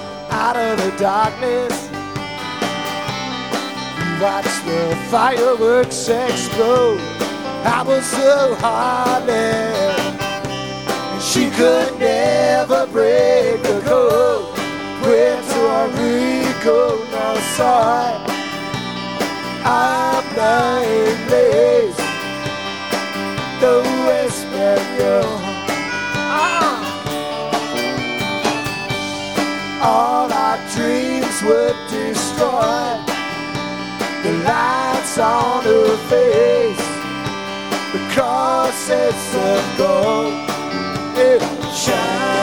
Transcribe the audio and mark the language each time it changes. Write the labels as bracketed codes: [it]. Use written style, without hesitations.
[en] Out of the darkness, watched the fireworks explode. I was so heartless, she could never break the code. [es] Puerto Rico, no soy. Habla inglés, no español. [en] All our dreams were destroyed, the lights on her face, the crosses of gold, it shines.